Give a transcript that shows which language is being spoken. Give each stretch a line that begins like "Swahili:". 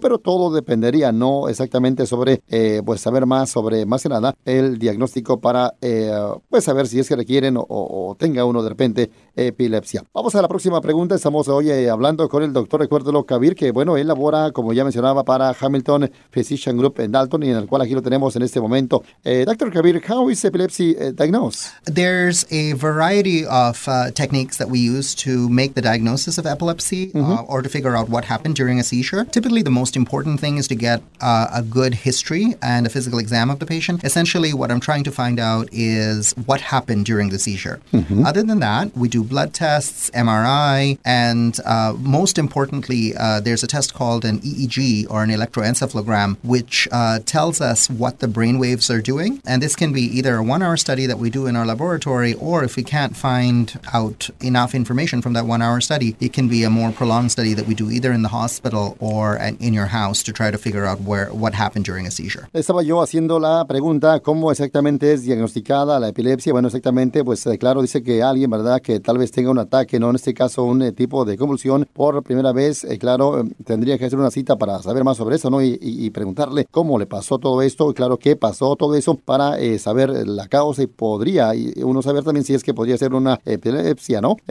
Spanish: Pero todo dependería, no exactamente sobre, pues, saber más sobre, más que nada, el diagnóstico para, pues, saber si es que requieren o tenga uno de repente epilepsia. Vamos a la próxima pregunta, estamos hoy hablando con el doctor, recuérdelo, Kabir, que, bueno, él labora, como ya mencionaba, para Hamilton Physician Group en Dalton, y en el cual aquí lo tenemos en este momento.
English: Dr. Kabir, how is epilepsy diagnosed? There's a variety of techniques that we use to make the diagnosis of epilepsy, mm-hmm. Or to figure out what happened during a seizure. Typically, the most important thing is to get a good history and a physical exam of the patient. Essentially, what I'm trying to find out is what happened during the seizure. Mm-hmm. Other than that, we do blood tests, MRI, and most importantly, there's a test called an EEG or an electroencephalogram, which tells us what the brain waves are doing. And this can be either a one-hour study that we do in our laboratory, or if we can't find out enough information from that one-hour study, it can be a more prolonged study that we do either in the hospital or in your house to try to figure out what happened during a seizure.
Spanish: Estaba yo haciendo la pregunta, ¿cómo exactamente es diagnosticada la epilepsia? Bueno, exactamente, pues claro, dice que alguien, ¿verdad?, que tal vez tenga un ataque, ¿no?, en este caso un tipo de convulsión por primera vez, claro, tendría que hacer una cita para saber más sobre eso, ¿no?, y preguntarle cómo le pasó todo esto, y claro, qué pasó todo eso para saber la causa y podría uno saber también si es que podría ser una epilepsia, ¿no?